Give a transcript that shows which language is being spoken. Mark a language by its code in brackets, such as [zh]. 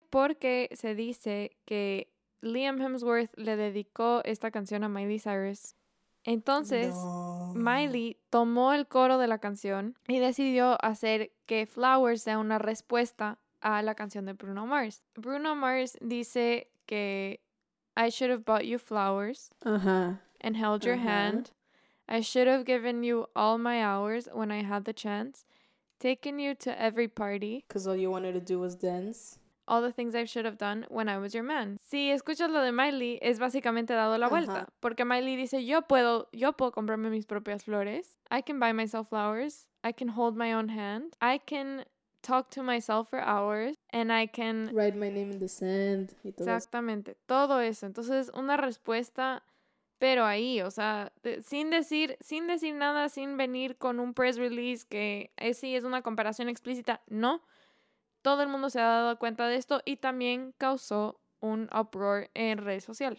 [es] Porque se dice que Liam Hemsworth le dedicó esta canción a Miley Cyrus. Entonces, no. Miley tomó el coro de la canción y decidió hacer que Flowers sea una respuesta a la canción de Bruno Mars. [en] Bruno Mars [es] dice que [en] I should have bought you flowers and held your hand. I should have given you all my hours when I had the chance. Taken you to every party. Because all you wanted to do was dance. All the things I should have done when I was your man. [es] Si escuchas lo de Miley, es básicamente dado la vuelta. Uh-huh. Porque Miley dice, yo puedo comprarme mis propias flores. [en] I can buy myself flowers. I can hold my own hand. I can talk to myself for hours. And I can... write my name in the sand. [es] Y todo exactamente. Todo eso. Entonces, una respuesta, pero ahí, o sea, sin decir nada, sin venir con un press release que sí es una comparación explícita, no. Todo el mundo se ha dado cuenta de esto y también causó un uproar en redes sociales.